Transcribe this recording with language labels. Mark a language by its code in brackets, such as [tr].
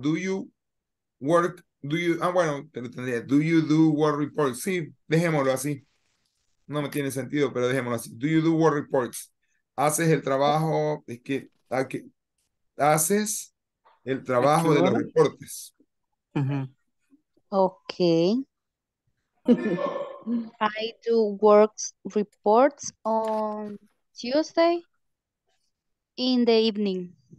[en] Do you work, do you do work reports? [es] Sí, dejémoslo así. No me tiene sentido, pero dejémoslo así. [en] Do you do work reports? [es] ¿Haces el trabajo, es que, aquí, haces el trabajo de los reportes? [en] Okay. I do work reports on Tuesday in the evening.